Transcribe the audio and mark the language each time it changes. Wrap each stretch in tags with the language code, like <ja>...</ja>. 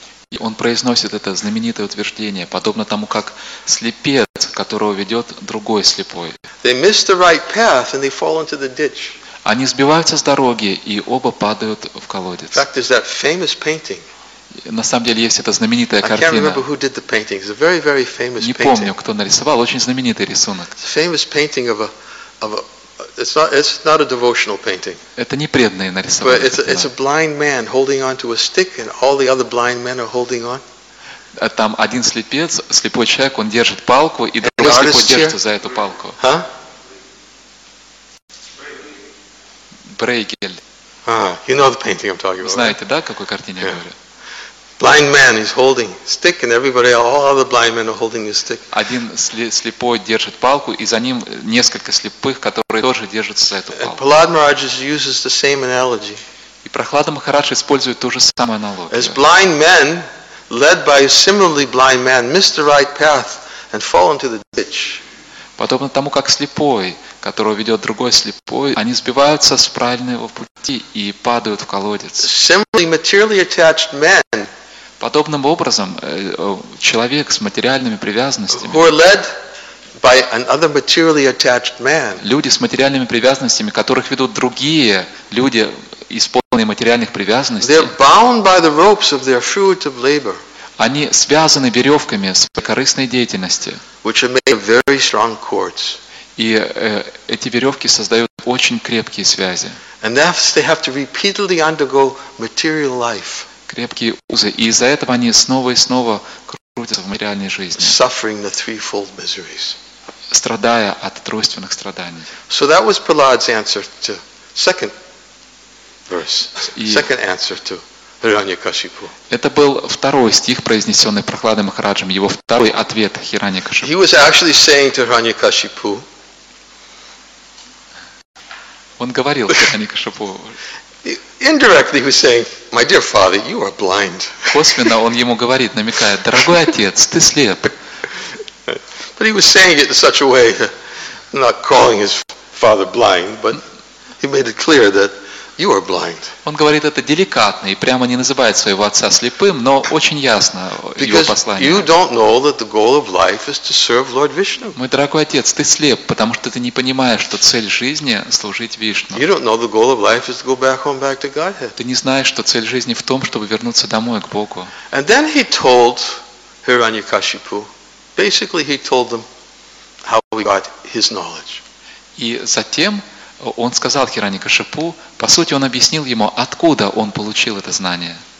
<ru>И он произносит это знаменитое утверждение, подобно тому, как слепец, которого ведет другой слепой.</ru> <en>They miss the right path and they fall into the ditch.</en> <ru>Они сбиваются с дороги и оба падают в колодец.</ru> <en>In fact, there's that famous painting.</en> <ru>На самом деле есть эта знаменитая картина.</ru> <en>I can't remember who did the painting. It's a very, very famous painting.</en> <ru>Не помню, кто нарисовал. Очень знаменитый рисунок.</ru> <en>It's a famous painting of it's not a devotional painting.</en> <ru>Это не преданные нарисовали.</ru> <en>But it's a blind man holding on to a stick and all the other blind men are holding on.</en> <ru>Там один слепец, слепой человек, он держит палку, и другой слепой держится за эту палку. Huh? Брейгель.</ru> <en>You know the painting I'm talking about.</en> <ru>Знаете, да, какой картине я говорю?</ru> <en>Blind man is holding stick, and everybody, all the blind men are holding the stick.</en> <ru>Один слепой держит палку, и за ним несколько слепых, которые тоже держатся за эту палку.</ru> <en>And Prahlad Maharaj uses the same analogy.</en> <ru>И Прохлад Махарадж использует ту же самую аналогию.</ru> <en>As blind men, led by a similarly blind man, miss the right path and fall into the ditch.</en> <ru>Подобно тому, как слепой, которого ведет другой слепой, они сбиваются с правильного пути и падают в колодец.</ru> <en>Similarly, materially attached men.</en> <ru>Подобным образом, человек с материальными привязанностями,</ru> <en>who are led by another materially attached man,</en> <ru>люди с материальными привязанностями, которых ведут другие люди, исполненные материальных привязанностей,</ru> <en>they're bound by the ropes of their fruitive labor,</en> <ru>они связаны веревками своей корыстной деятельности,</ru> <en>which are made of very strong cords.</en> <ru>И эти веревки создают очень крепкие связи.</ru> <en>And thus they have to repeatedly undergo material life.</en> <ru>Крепкие узы. И из-за этого они снова и снова крутятся в материальной жизни.</ru> <en>Suffering the threefold miseries.</en> <ru>Страдая от тройственных страданий.</ru> <en>So that was Prahlad's answer to second verse. Second answer to Hiranyakashipu.</en> <ru>Это был второй стих, произнесенный Прохладом Махараджем. Его второй ответ Хираньякашипу.</ru> <en>He was actually saying to Hiranyakashipu.</en> <ru>Он говорил Хиранькашипу.</ru> <en>Indirectly, he was saying, "My dear father, you are blind."</en> <ru>Косвенно он ему говорит, намекает: "Дорогой отец, ты слеп."</ru> <en>But he was saying it in such a way, not calling his father blind, but he made it clear that you are blind.</en> <ru>Он говорит это деликатно и прямо не называет своего отца слепым, но очень ясно его послание.</ru> <en>You don't know that the goal of life is to serve Lord Vishnu.</en> <ru>Мой дорогой отец, ты слеп, потому что ты не понимаешь, что цель жизни служить Вишну.</ru> <en>You don't know the goal of life is to go back home, back to Godhead.</en> <ru>Ты не знаешь, что цель жизни в том, чтобы вернуться домой к Богу.</ru> <en>And then he told Hiranyakashipu, basically he told them how he got his knowledge.</en> <ru>И затем он сказал Хиранькашипу, по сути, он объяснил ему, откуда он получил это знание.</ru>